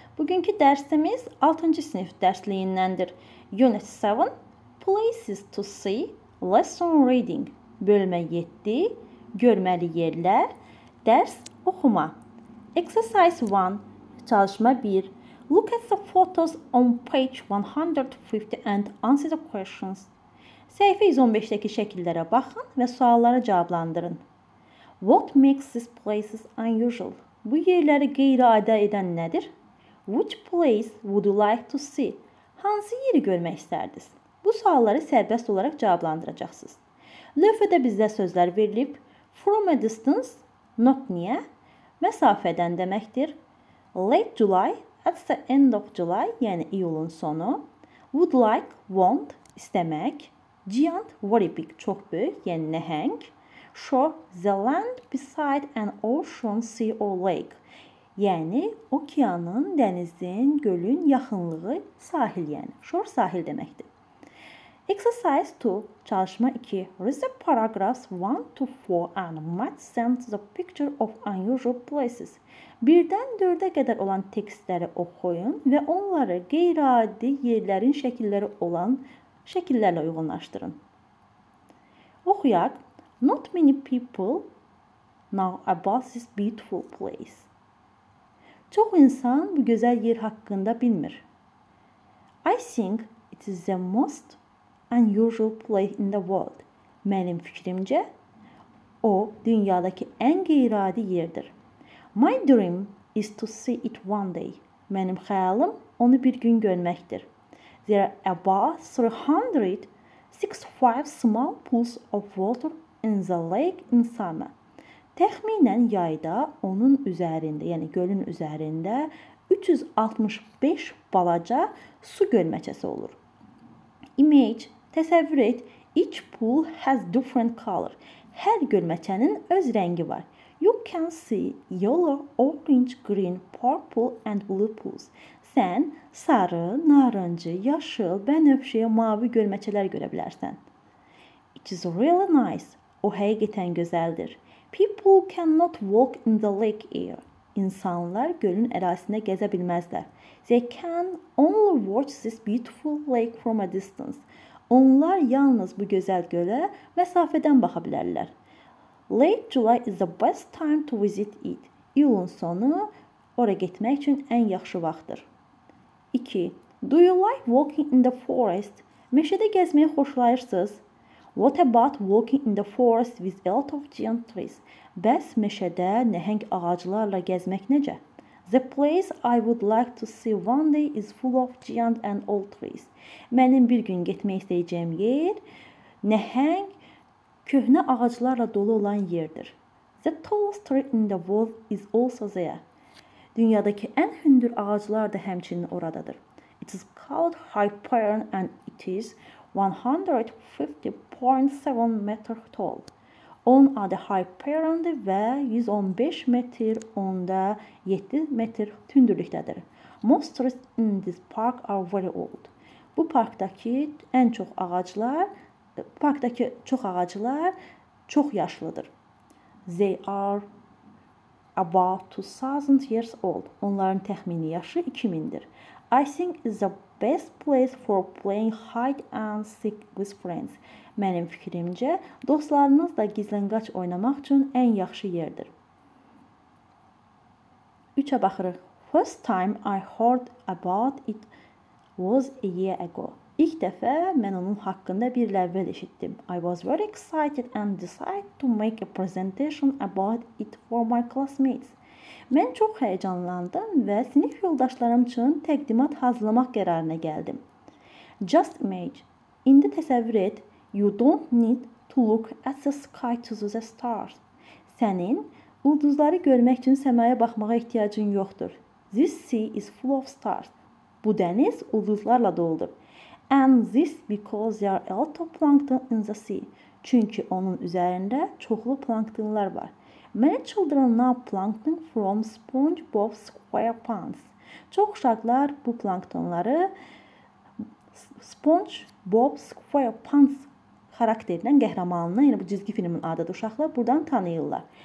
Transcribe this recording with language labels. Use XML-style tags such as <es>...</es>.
<az>Bugünkü dərsimiz 6-cı sinif dərsliyindəndir.</az> <en>Unit 7, Places to See, Lesson Reading,</en> <az>bölmə 7, görməli yerlər, dərs oxuma.</az> <en>Exercise 1,</en> <az>çalışma 1.</az> <en>Look at the photos on page 150 and answer the questions.</en> <az>Səhifə 115-dəki şəkillərə baxın və sualları cavablandırın.</az> <en>What makes these places unusual?</en> <az>Bu yerləri qeyri-adi edən nədir?</az> <en>Which place would you like to see?</en> <az>Hansı yeri görmək istərdiniz? Bu sualları sərbəst olaraq cavablandıracaqsınız. Lövhədə bizdə sözlər verilib.</az> <en>From a distance, not near,</en> <az>məsafədən deməkdir.</az> <en>Late July, at the end of July,</en> <az>yəni iyulun sonu.</az> <en>Would like, want, istəmək. Giant, very big,</en> <az>çox böyük, yəni nəhəng.</az> <en>Show the land beside an ocean, sea or lake.</en> <az>Yəni, okeanın, dənizin, gölün yaxınlığı, sahil yəni. Shore sahil deməkdir. Exercise 2. Çalışma 2.</az> <en>Read the paragraphs 1 to 4 and match them to the picture of unusual places.</en> <az>1-dən 4-ə qədər olan tekstləri oxuyun və onları qeyri-adi yerlərin şəkilləri olan şəkillərlə uyğunlaşdırın. Oxuyaq.</az> <en>Not many people know about this beautiful place.</en> <az>Çox insan bu gözəl yer haqqında bilmir.</az> <en>I think it is the most unusual place in the world.</en> <az>Mənim fikrimcə, o dünyadakı ən qeyri-adi yerdir.</az> <en>My dream is to see it one day.</en> <az>Mənim xəyalım onu bir gün görməkdir.</az> <en>There are about 365 small pools of water in the lake in summer.</en> <az>Təxminən yayda onun üzərində, yəni gölün üzərində 365 balaca su gölməçəsi olur.</az> <en>Image,</en> <az>təsəvvür et,</az> <en>each pool has different color.</en> <az>Hər gölməçənin öz rəngi var.</az> <en>You can see yellow, orange, green, purple and blue pools.</en> <az>Sən sarı, narıncı, yaşıl, bənövşəyə mavi gölməçələr görə bilərsən.</az> <en>It is really nice.</en> <az>O həqiqətən gözəldir.</az> <en>People cannot walk in the lake air.</en> <az>İnsanlar gölün ərazisində gəzə bilməzlər.</az> <en>They can only watch this beautiful lake from a distance.</en> <az>Onlar yalnız bu gözəl gölə məsafədən baxa bilərlər.</az> <en>Late July is the best time to visit it.</en> <az>İyulun sonu ora getmək üçün ən yaxşı vaxtdır. 2.</az> <en>Do you like walking in the forest?</en> <az>Meşədə gəzməyi xoşlayırsınız?</az> <en>What about walking in the forest with a lot of giant trees?</en> <az>Bəs meşədə nəhəng ağaclarla gəzmək necə?</az> <en>The place I would like to see one day is full of giant and old trees.</en> <az>Mənim bir gün getmək istəyəcəyim yer nəhəng köhnə ağaclarla dolu olan yerdir.</az> <en>The tallest tree in the world is also there.</en> <az>Dünyadakı ən hündür ağaclar da həmçinin oradadır.</az> <en>It is called Hyperion and it is 150.7 metr tall.</en> <az>Onun adı Hyperion-dur və 115 metr onda 7 metr hündürlükdədir.</az> <en>Most trees in this park are very old.</en> <az>Bu parkdakı ən çox ağaclar, çox yaşlıdır.</az> <en>They are about 2000 years old.</en> <az>Onların təxmini yaşı 2000-dir.</az> <en>I think it's the best place for playing hide and seek with friends.</en> <az>Mənim fikrimcə, dostlarınızla gizlənqaç oynamaq üçün ən yaxşı yerdir. 3-ə baxırıq.</az> <en>First time I heard about it was a year ago.</en> <az>İlk dəfə mən onun haqqında bir ləvvəl eşitdim.</az> <en>I was very excited and decided to make a presentation about it for my classmates.</en> <az>Mən çox həyəcanlandım və sinif yoldaşlarım üçün təqdimat hazırlamaq qərarına gəldim.</az> <en>Just imagine.</en> <az>İndi təsəvvür et.</az> <en>You don't need to look at the sky to see the stars.</en> <az>Sənin ulduzları görmək üçün səmaya baxmağa ehtiyacın yoxdur.</az> <en>This sea is full of stars.</en> <az>Bu dəniz ulduzlarla doludur.</az> <en>And this because there are a lot of plankton in the sea.</en> <az>Çünki onun üzərində çoxlu planktonlar var.</az> <en>Many children now plankton from SpongeBob SquarePants.</en> <az>Çox uşaqlar bu planktonları SpongeBob SquarePants xarakterindən qəhrəmanına, yəni bu cizgi filmin adıdır uşaqlar, buradan tanıyırlar.</az>